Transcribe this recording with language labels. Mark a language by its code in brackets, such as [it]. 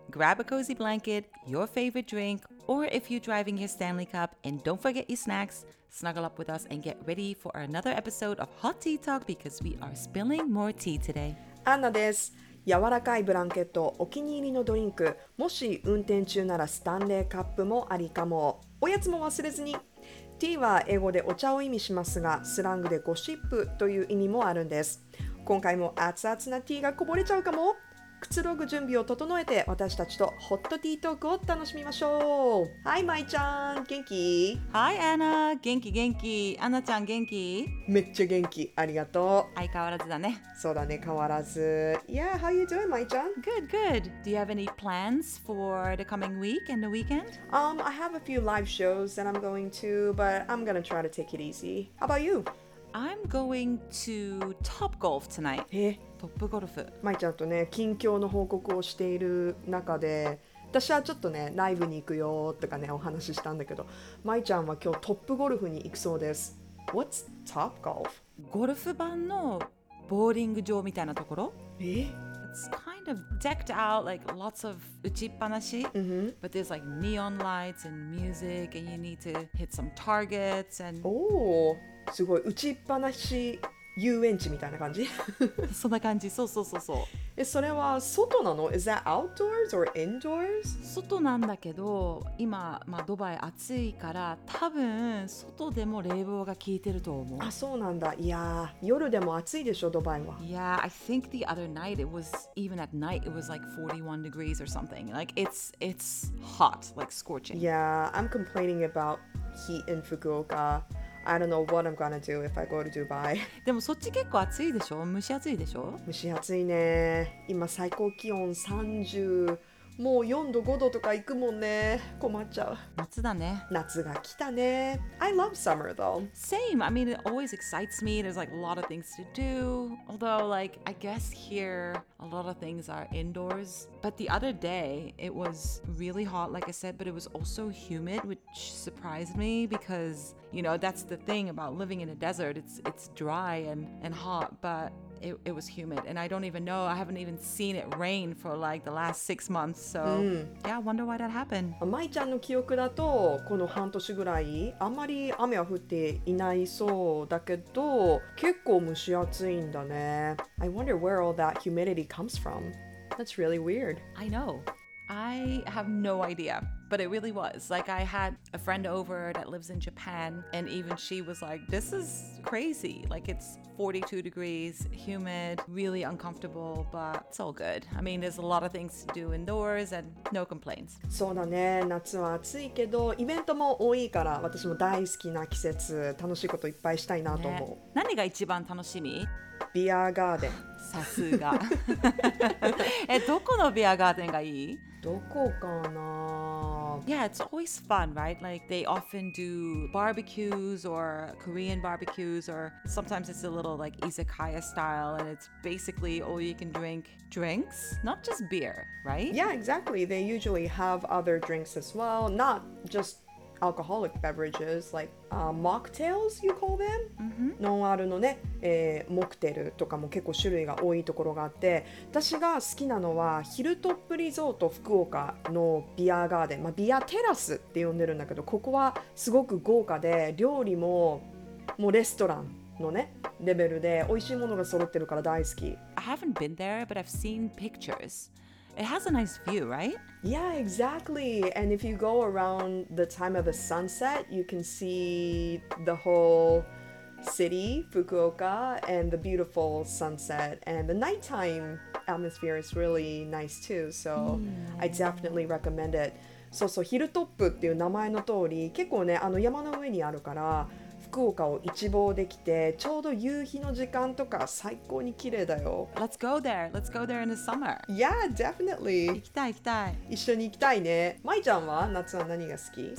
[en] Grab a cozy blanket, your favorite drink, or if you're driving your Stanley Cup, and don't forget your snacks, snuggle up with us and get ready for another episode of Hot Tea Talk because we are spilling more tea today. [ja] Anna です。柔らかいブランケット、お気に入りのドリンク、もし運転中ならスタンレーカップもありかも。おやつも忘れずに。ティーは英語でお茶を意味しますが、スラングでゴシップという意味もあるんです。今回も熱々なティーがこぼれちゃうかも。くつろぐ準備を整えて私たちとホットティートークを楽しみましょう。はい、まいちゃん、元気？はい、アナ、元気元気。アナちゃん、元気？めっちゃ元気、ありがとう。相変わらずだね。そうだね、変わらず。 [en] Yeah, how you doing, [ja] まいちゃん？ [en] Good, good. Do you have any plans for the coming week and the weekend? I have a few live shows that I'm going to, but I'm gonna try to take it easy. How about you? I'm going to Top Golf tonight. [ja] え、トップゴルフ。まいちゃんとね、近況の報告をしている中で、私はちょっとね、ライブに行くよとかね、お話ししたんだけど、まいちゃんは今日トップゴルフに行くそうです。 [en] What's Top Golf? [ja] ゴルフ版のボーリング場みたいなところ？え？ [en] It's kind of decked out, like lots of 打ちっぱなし、 mm-hmm. But there's like neon lights and music, and you need to hit some targets and. Oh. [ja] すごい打ちっぱなし遊園地みたいな感じそんな感じそうそうそうそうえそれは外なの [en] Is that outdoors or indoors? [ja] 外なんだけど今、まあ、ドバイ暑いから多分外でも冷房が効いてると思うあそうなんだいや夜でも暑いでしょドバイは [en] Yeah, I think the other night it was even at night it was like 41 degrees or something like it's hot, like scorching Yeah, I'm complaining about heat in FukuokaI don't know what I'm gonna do if I go to Dubai. [ja] でもそっち結構暑いでしょ蒸し暑いでしょ蒸し暑いね。今最高気温30、もう4度5度とか行くもんね。困っちゃう。夏だね。夏が来たね。 [en] I love summer though. Same. I mean, it always excites me. There's like a lot of things to do. Although, like, I guess here a lot of things are indoors. But the other day, it was really hot, like I said, but it was also humid, which surprised me becauseYou know, that's the thing about living in a desert. It's dry and hot, but it was humid. And I don't even know, I haven't even seen it rain for like the last 6 months. So,、mm. yeah, I wonder why that happened. [ja] Mai-chan の記憶だと、この半年ぐらい、あまり雨は降っていないそうだけど、結構蒸し暑いんだね。 [en] I wonder where all that humidity comes from. That's really weird. I know. I have no idea. But it really was. Like, I had a friend over that lives in Japan, and even she was like, this is crazy. Like, it's 42 degrees, humid, really uncomfortable, but it's all good. I mean, there's a lot of things to do indoors, and no complaints. [ja] そうだね。夏は暑いけど、イベントも多いから、私も大好きな季節、楽しいこといっぱいしたいなと思う。ね、何が一番楽しみ？ビアーガーデン。さすが。え、どこのビアーガーデンがいい？どこかな [en] Yeah, it's always fun, right? Like, they often do barbecues or Korean barbecues or sometimes it's a little like izakaya style and it's basically all you can drink drinks, not just beer, right? Yeah, exactly. They usually have other drinks as well, not just alcoholic beverages, like、mocktails, you call them?、 Mm-hmm. [ja] ノンアルのね、モクテルとかも結構種類が多いところがあって私が好きなのはヒルトップリゾート福岡のビアガーデン、まあ、ビアテラスって呼んでるんだけどここはすごく豪華で料理もうレストランのねレベルで美味しいものが揃ってるから大好き [en] I haven't been there, but I've seen picturesIt has a nice view, right? Yeah, exactly. And if you go around the time of the sunset, you can see the whole city, Fukuoka, and the beautiful sunset. And the nighttime atmosphere is really nice too, so I definitely recommend it. [ja] そうそう、ヒルトップっていう名前の通り、結構ね、あの山の上にあるから、福岡を一望できて、ちょうど夕日の時間とか最高に綺麗だよ。 [en] Let's go there. Let's go there in the summer. Yeah, definitely. [ja] 行きたい行きたい。一緒に行きたいね。まいちゃんは夏は何が好き？